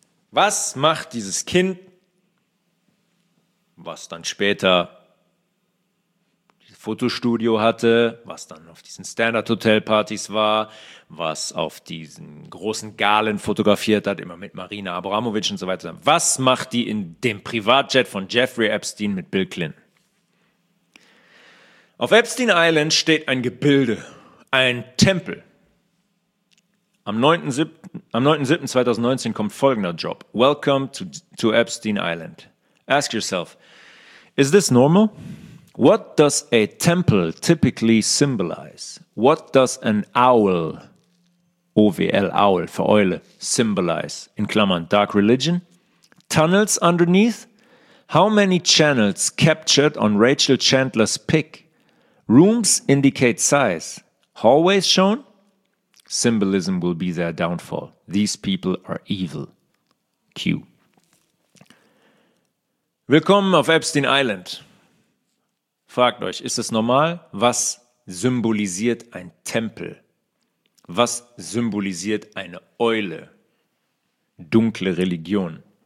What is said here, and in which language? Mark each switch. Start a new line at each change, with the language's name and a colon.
German: Was macht dieses Kind, was dann später Fotostudio hatte, was dann auf diesen Standard-Hotel-Partys war, was auf diesen großen Galen fotografiert hat, immer mit Marina Abramović und so weiter. Was macht die in dem Privatjet von Jeffrey Epstein mit Bill Clinton? Auf Epstein Island steht ein Gebilde, ein Tempel. Am 9.7.2019 kommt folgender Job.
English: Welcome to Epstein Island. Ask yourself, is this normal? What does a temple typically symbolize? What does an owl, O-W-L, owl,
German: für Eule,
English: symbolize?
German: In Klammern,
English: dark religion? Tunnels underneath? How many channels captured on Rachel Chandler's pic? Rooms indicate size. Hallways shown? Symbolism will be their downfall. These people are evil. Q.
German: Willkommen auf Epstein Island. Fragt euch, ist es normal? Was symbolisiert ein Tempel? Was symbolisiert eine Eule? Dunkle Religion.